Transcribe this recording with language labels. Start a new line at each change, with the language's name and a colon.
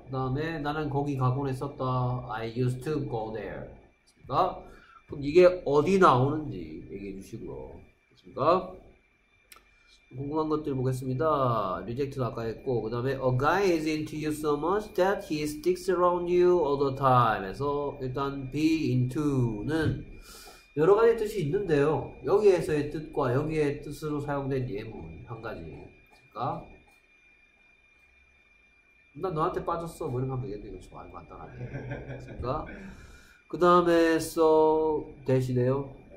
Korean: 그 다음에 나는 거기 가곤 했었다.
English: I used to go there.
Korean: 그니까. 그럼 이게 어디 나오는지 얘기해 주시고요. 그니까. 궁금한 것들 보겠습니다. Reject 아까 했고. 그 다음에
English: A guy is into you so much that he sticks around you all the time.
Korean: 해서 일단 be into는 여러 가지 뜻이 있는데요. 여기에서의 뜻과 여기의 뜻으로 사용된 예문 한 가지. 그니까. 나 너한테 빠졌어. 뭐 이런 거 하면 되겠네. 이거 좋아. 간단하네. 그니까. 그 다음에 so, 대시네요.